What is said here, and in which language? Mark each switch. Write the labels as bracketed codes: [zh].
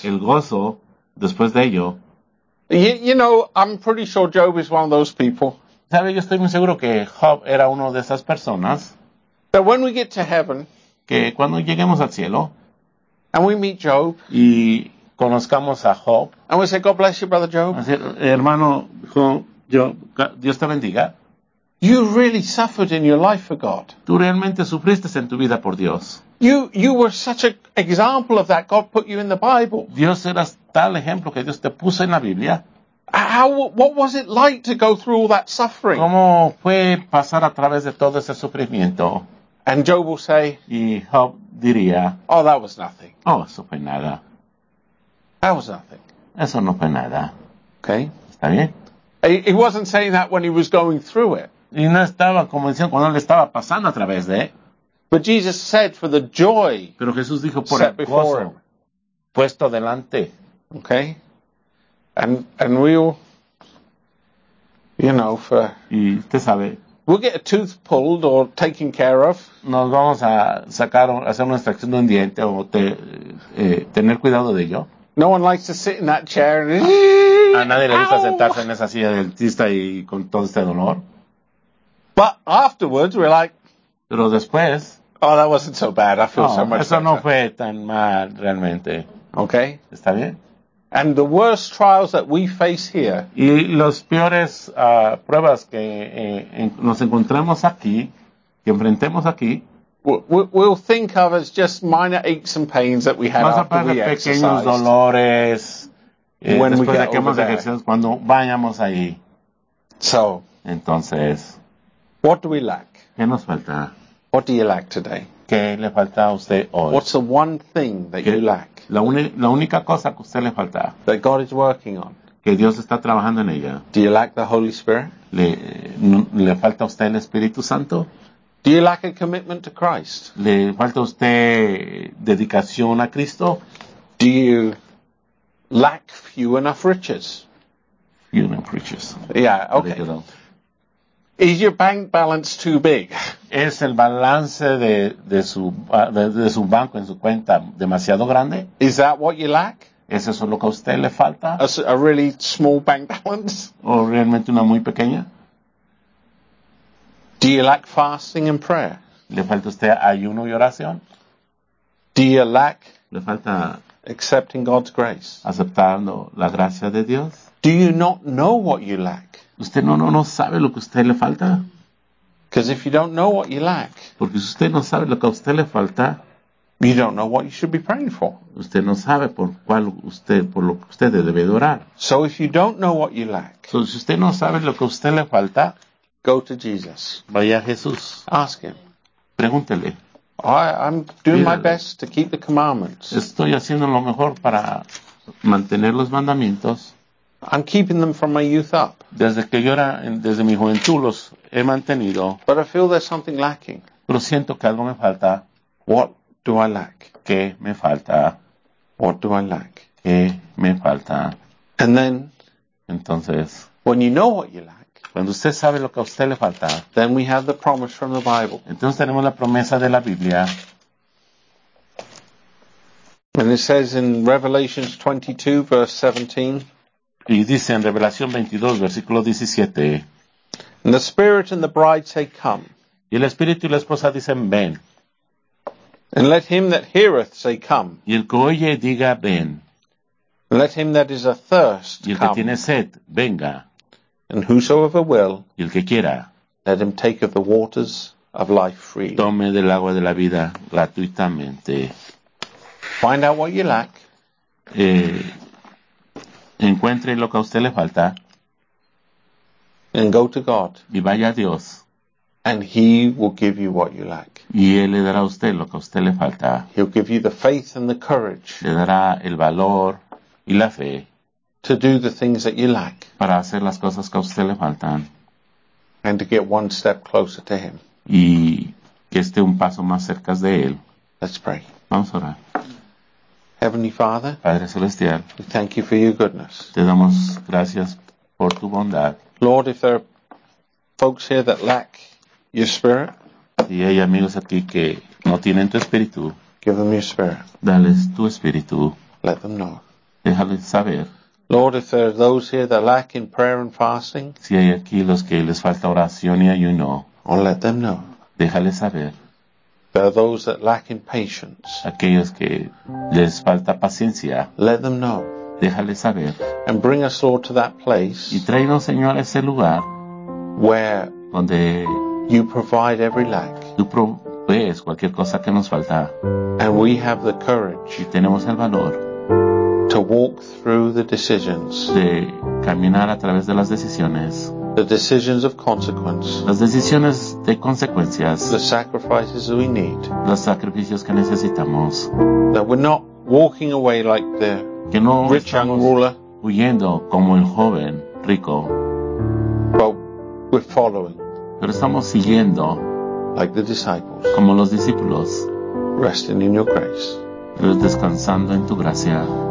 [es] Pero el gozo después de ello. [en] You know, I'm pretty sure Job is one of those people. [es] ¿Sabe? Yo estoy muy seguro que Job era uno de esas personas. [en] But when we get to heaven. [es] Que cuando lleguemos al cielo. [en] And we meet Job. [es] Y conozcamos a Job. [en] And we say, God bless you, brother Job. [es] Así, hermano Job, Dios te bendiga. [en] You really suffered in your life for God. [es] Tú realmente sufriste en tu vida por Dios. [en] You were such an example of that. God put you in the Bible. [es] Dios era tal ejemplo que Dios te puso en la Biblia. [en] What was it like to go through all that suffering? [es] ¿Cómo fue pasar a través de todo ese sufrimiento? [en] And Job will say, [es] y Job diría, [en] oh, that was nothing. [es] Oh, eso fue nada. [en] That was nothing. [es] Eso no fue nada. [en] Okay. [es] ¿Está bien? [en] He wasn't saying that when he was going through it. [es] Y no estaba como diciendo cuando él estaba pasando a través de. [en] But Jesus said, for the joy. [es] Pero Jesús dijo por el gozo puesto delante. [en] Okay. And we all, you know, for. [es] Y usted sabe. [en] We'll get a tooth pulled or taken care of. [es] Nos vamos a sacar, hacer una extracción de un diente o tener cuidado de ello. [en] No one likes to sit in that chair. And [es] a nadie le gusta sentarse en esa silla del dentista y con todo este dolor. [en] But afterwards, we're like. [es] Pero después. [en] Oh, that wasn't so bad. I feel [es] no, [en] so much [es] eso [en] better. [es] No fue tan mal realmente. [en] Okay. [es] Está bien. [en] And the worst trials that we face here. [es] Y los peores pruebas que nos encontramos aquí, que enfrentemos aquí. [en] We'll think of as just minor aches and pains that we have after we exercise. [es] Más aparte pequeños dolores. [en] When we get over there. [es] Cuando vayamos ahí. [en] So. [es] Entonces. [en] What do we lack? [es] ¿Qué nos falta? [en] What do you lack today? [es] ¿Qué le falta a usted hoy? [en] What's the one thing that you lack? [es] La única cosa que usted le falta. [en] That God is working on. [es] Que Dios está trabajando en ella. [en] Do you lack the Holy Spirit? [es] ¿Le falta a usted el Espíritu Santo? [en] Do you lack a commitment to Christ? [es] ¿Le falta a usted dedicación a Cristo? [en] Do you lack few enough riches? Few enough riches. Yeah, okay. Is your bank balance too big? [es] ¿Es el balance de su banco en su cuenta demasiado grande? [en] Is that what you lack? [es] ¿Es eso lo que a usted le falta? [en] A really small bank balance? [es] ¿O realmente una muy pequeña? [en] Do you lack fasting and prayer? [es] ¿Le falta usted ayuno y oración? [en] Do you lack? [es] ¿Le falta [en] accepting God's grace? [es] ¿Aceptando la gracia de Dios? [en] Do you not know what you lack? [es] ¿Usted no sabe lo que a usted le falta? [en] Because if you don't know what you lack. [es] Porque si usted no sabe lo que a usted le falta. [en] You don't know what you should be praying for. [es] Usted no sabe por cuál usted por lo que usted debe orar. [en] So if you don't know what you lack, [es] so si usted no sabe lo que usted le falta, [en] go to Jesus. [es] Vaya a Jesús. [en] Ask him. [es] Pregúntele. [en] I'm doing my best to keep the commandments. [es] Estoy haciendo lo mejor para mantener los mandamientos. [en] I'm keeping them from my youth up. [es] Desde que yo era, desde mi juventud los he mantenido. [en] But I feel there's something lacking. [es] Pero siento que algo me falta. [en] What do I lack? [es] ¿Qué me falta? [en] What do I lack? [es] ¿Qué me falta? [en] And then, [es] entonces, [en] when you know what you lack, [es] cuando usted sabe lo que a usted le falta, [en] then we have the promise from the Bible. [es] Entonces tenemos la promesa de la Biblia. [en] And it says in Revelation 22, verse 17. [es] Y dice en Revelación 22, versículo 17. [en] And the Spirit and the Bride say, come. [es] Y el Espíritu y la Esposa dicen, ven. [en] And let him that heareth say, come. [es] Y el que oye diga, ven. [en] And let him that is athirst come. [es] Y el que tiene sed, venga. [en] And whosoever will, [es] y el que quiera, [en] let him take of the waters of life freely. [es] Tome del agua de la vida gratuitamente. [en] Find out what you lack. [es] Encuentre lo que a usted le falta. [en] And go to God. [es] Y vaya a Dios. [en] And he will give you what you lack. [es] Y él le dará a usted lo que a usted le falta. [en] He'll give you the faith and the courage. [es] Le dará el valor y la fe. [en] To do the things that you lack. [es] Para hacer las cosas que a usted le faltan. [en] And to get one step closer to him. [es] Y que esté un paso más cerca de él. [en] Let's pray. [es] Vamos a orar. [en] Heavenly Father. [es] Padre Celestial. [en] We thank you for your goodness. [es] Te damos gracias por tu bondad. [en] Lord, if there are folks here that lack your spirit. [es] Y hay amigos aquí que no tienen tu espíritu. [en] Give them your spirit. [es] Dales tu espíritu. [en] Let them know. [es] Déjales saber. [en] Lord, if there are those here that lack in prayer and fasting, [es] si hay aquí los que les falta oración y ayuno, [en] or let them know. [es] Déjales saber. [en] There are those that lack in patience. [es] Aquellos que les falta paciencia. [en] Let them know. [es] Déjales saber. [en] And bring us, Lord, to that place. [es] Y tráenos, Señor, a ese lugar [en] where [es] donde [en] you provide every lack. [es] Tú provees cualquier cosa que nos falta. [en] And we have the courage. [es] Y tenemos el valor. [en] To walk through the decisions. [es] De caminar a través de las decisiones. [en] The decisions of consequence. [es] Las decisiones de consecuencias. [en] The sacrifices we need. [es] Los sacrificios que necesitamos. [en] That we're not walking away like the [es] que no [en] rich young ruler. [es] Huyendo como el joven rico. [en] But we're following. [es] Pero estamos siguiendo. [en] Like the disciples. [es] Como los discípulos. [en] Resting in your grace. [es] Pero descansando en tu gracia.